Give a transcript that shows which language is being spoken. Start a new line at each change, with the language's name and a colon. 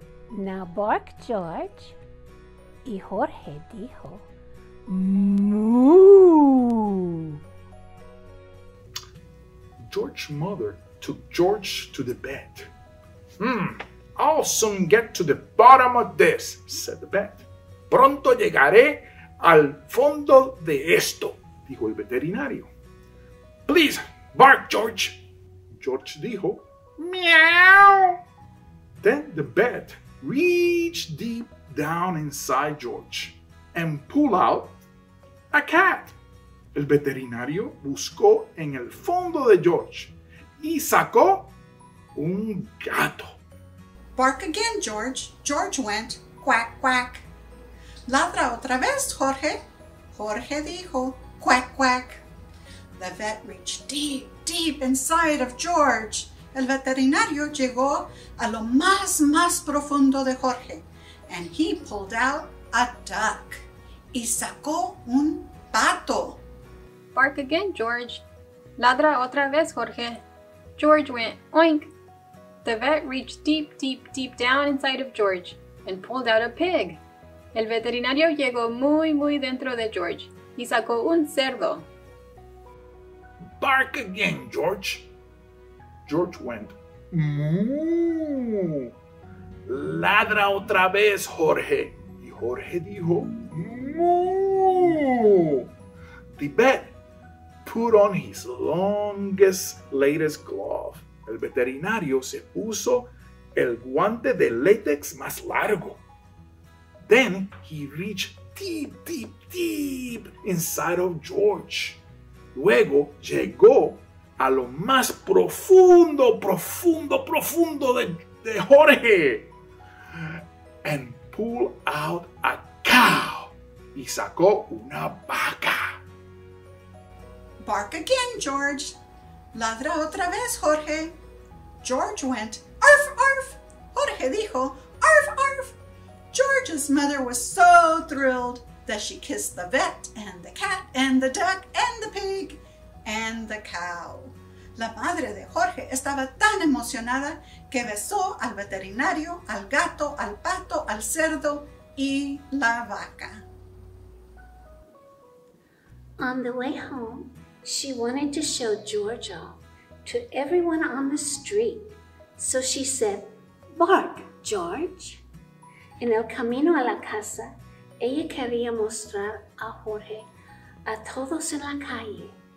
English: Now bark, George.
Spanish: Y Jorge dijo moo.
English: George's mother took George to the bed. I'll soon get to the bottom of this, said the bat.
Spanish: Pronto llegaré al fondo de esto, dijo el veterinario.
English: Please, bark, George.
Spanish: George dijo, meow.
English: Then the bat reached deep down inside George and pulled out a cat.
Spanish: El veterinario buscó en el fondo de George y sacó un gato.
English: Bark again, George. George went quack, quack.
Spanish: Ladra otra vez, Jorge. Jorge dijo, quack, quack.
English: The vet reached deep, deep inside of George.
Spanish: El veterinario llegó a lo más, más profundo de Jorge.
English: And he pulled out a duck.
Spanish: Y sacó un pato.
English: Bark again, George.
Spanish: Ladra otra vez, Jorge.
English: George went oink. The vet reached deep, deep, deep down inside of George and pulled out a pig.
Spanish: El veterinario llegó muy, muy dentro de George y sacó un cerdo.
English: Bark again, George. George went moo.
Spanish: Ladra otra vez, Jorge. Y Jorge dijo moo.
English: The vet put on his longest, latest glove.
Spanish: El veterinario se puso el guante de látex más largo.
English: Then he reached deep, deep, deep inside of George.
Spanish: Luego llegó a lo más profundo, profundo, profundo de Jorge.
English: And pulled out a cow.
Spanish: Y sacó una vaca.
English: Bark again, George.
Spanish: Ladra otra vez, Jorge.
English: George went arf, arf.
Spanish: Jorge dijo arf, arf.
English: George's mother was so thrilled that she kissed the vet and the cat and the duck and the pig and the cow.
Spanish: La madre de Jorge estaba tan emocionada que besó al veterinario, al gato, al pato, al cerdo y la vaca.
English: On the way home, she wanted to show George off to everyone on the street. So she said, bark, George.
Spanish: En el camino a la casa, ella quería mostrar a Jorge a todos en la calle.